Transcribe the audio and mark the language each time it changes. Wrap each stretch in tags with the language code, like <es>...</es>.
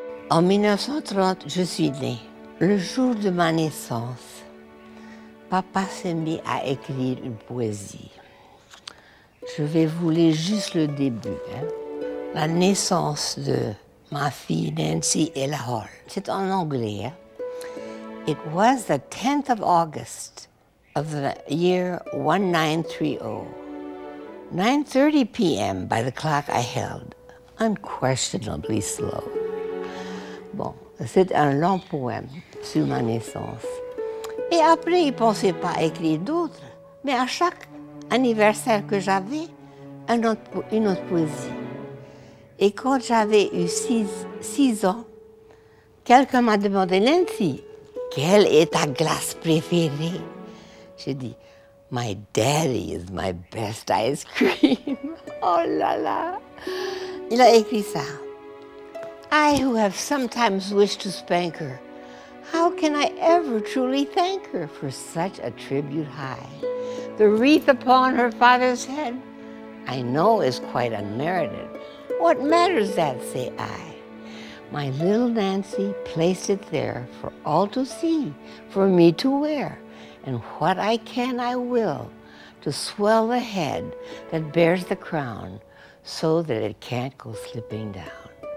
<fr>En 1930, je suis née. Le jour de ma naissance, papa s'est mis à écrire une poésie. Je vais vous lire juste le début. Hein. La naissance de ma fille Nancy Ella Hall. C'est en anglais. Hein.</fr> <en>It was the 10th of August of the year 1930. 9:30 p.m. by the clock I held, unquestionably slow.</en> <fr>Bon, c'est un long poème sur ma naissance. Et après, il ne pensait pas à écrire d'autres. Mais à chaque anniversaire que j'avais, une autre poésie. Et quand j'avais eu 6 ans, quelqu'un m'a demandé, « Nancy, quelle est ta glace préférée ?» J'ai dit,</fr> <en>« My daddy is my best ice cream. »</en> <fr>Oh là là ! Il a écrit ça.</fr> <en>I who have sometimes wished to spank her, how can I ever truly thank her for such a tribute high? The wreath upon her father's head, I know is quite unmerited. What matters that, say I? My little Nancy placed it there for all to see, for me to wear, and what I can I will to swell the head that bears the crown so that it can't go slipping down.</en>